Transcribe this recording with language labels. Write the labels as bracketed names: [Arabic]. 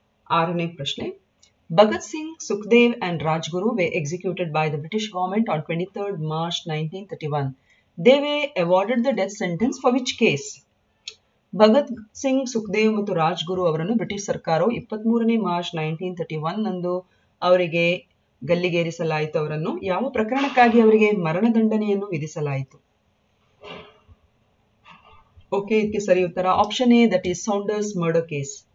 [Kannada] ಆರನೇ ಪ್ರಶ್ನೆ, [English] Bhagat Singh, Sukhdev and Rajguru were executed by the British government on 23rd March 1931. They were awarded the death sentence for which case? [Kannada] Bhagat Singh, Sukhdev ಮತ್ತು ರಾಜ್ಗುರು ಅವರನ್ನು British ಸರ್ಕಾರವು 23rd March 1931 ಅವರಿಗೆ ಗಲ್ಲಿಗೇರಿಸಲಾಯಿತು. ಅವರನ್ನು ಯಾವ ಪ್ರಕರಣಕ್ಕಾಗಿ ಅವರಿಗೆ ಮರಣದಂಡನೆಯನ್ನು ವಿಧಿಸಲಾಯಿತು? ಓಕೆ, ಇದಕ್ಕೆ ಸರಿ ಉತ್ತರ option A, [English] That is Saunders murder case.